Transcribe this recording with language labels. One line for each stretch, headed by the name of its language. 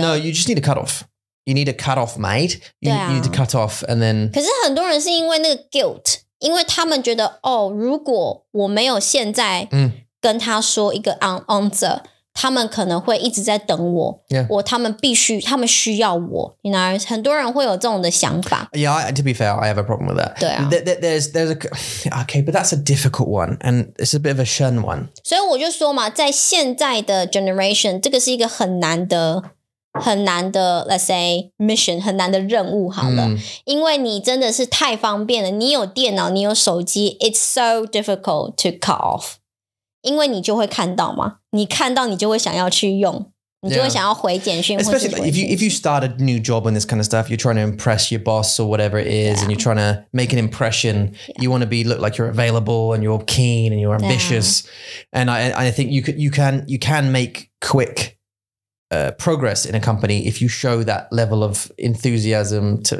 English: No, you just need a cut off. You need a cut off, mate. You need to cut off, and then.
Chinese: 可是很多人是因为那个 guilt, 因为他们觉得哦，如果我没有现在跟他说一个 answer, 他们可能会一直在等我。
English: Yeah.
Chinese: 我他们必须，他们需要我。
English: You know,
Chinese: 很多人会有这种的想法。
English: Yeah, to be fair, I have a problem with that.
Chinese: 对啊。
English: There's a okay, but that's a difficult one, and it's a bit of a shun one.
Chinese: 所以我就说嘛，在现在的 generation, 这个是一个很难的、很难的 ，
English: let's say mission,
Chinese: 很难的任务。好了，因为你真的是太方便了，你有电脑，你有手机 ，
English: it's so difficult to cut off.
Chinese: 因为你就会看到嘛，你看到你就会想要去用，你就会想要回简讯。
English: Especially if you start a new job and this kind of stuff, you're trying to impress your boss or whatever it is, and you're trying to make an impression. You want to be look like you're available and you're keen and you're ambitious. And I think you can make quick progress in a company if you show that level of enthusiasm to.